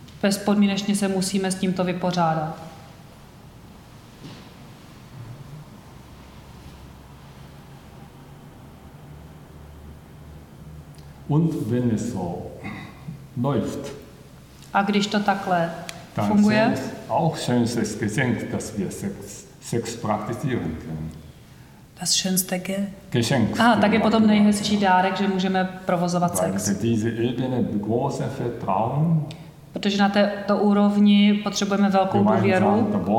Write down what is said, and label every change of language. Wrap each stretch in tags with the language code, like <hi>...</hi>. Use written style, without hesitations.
<cs>Bezpodmínečně se musíme s tímto vypořádat.</cs> <de>Und wenn es so läuft.</de> <cs>A když to takhle funguje?</cs> <de>Dann ist es auch schönstes Geschenk, dass wir Sex praktizieren können. Das schönste Geschenk.</de> <cs>Aha, tak je potom nejhezčí dárek, že můžeme provozovat sex.</cs> <de>Weil diese Ebene große Vertrauen.</de> <cs>Protože na této úrovni potřebujeme velkou důvěru.</cs>